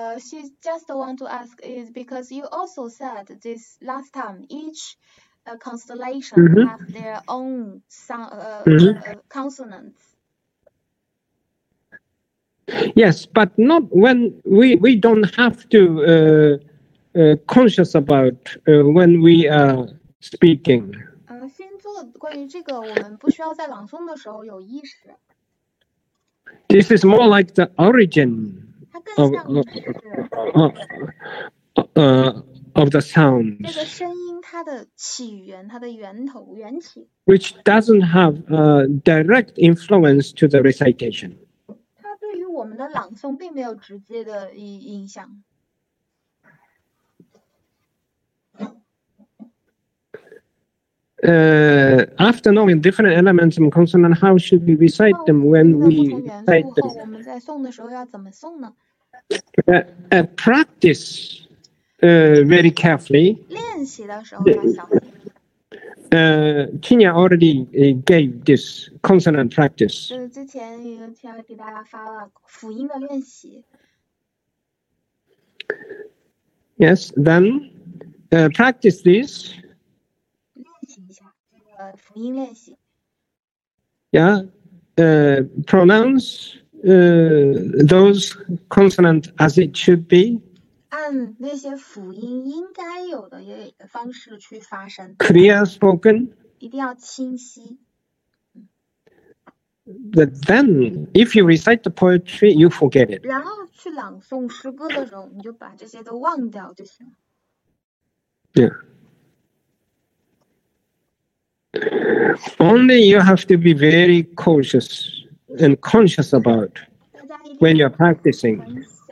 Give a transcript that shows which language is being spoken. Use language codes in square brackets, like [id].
[en] She just want to ask is because you also said this last time, each constellation mm-hmm. have their own mm-hmm. consonants. Yes, but not when we don't have to conscious about when we are speaking. [zh] 先做关于这个，我们不需要在朗诵的时候有意识。 [en] This is more like the origin of the sound. [zh] 这个声音它的起源，它的源头，源起。 [en] Which doesn't have a direct influence to the recitation. [zh] 我们的朗诵并没有直接的影响。 [en] After knowing different elements and consonants, how should we recite them when we recite them? [zh] 我们在诵的时候要怎么诵呢？ [en] Practice very carefully. [zh] 练习的时候要小心。 [en] Qinya already gave this consonant practice. [zh] 之前Qinya给大家发了辅音的练习。 [en] Yes, then practice this. [zh] 练习一下这个辅音练习。 [en] Yeah, pronounce those consonants as it should be. [zh] 按那些辅音应该有的一个方式去发声 [en] ，clear spoken， [zh] 一定要清晰。 [en] But then, if you recite the poetry, you forget it. [zh] 然后去朗诵诗歌的时候，你就把这些都忘掉就行了。 [en] Yeah. Only you have to be very cautious and conscious about when you're practicing.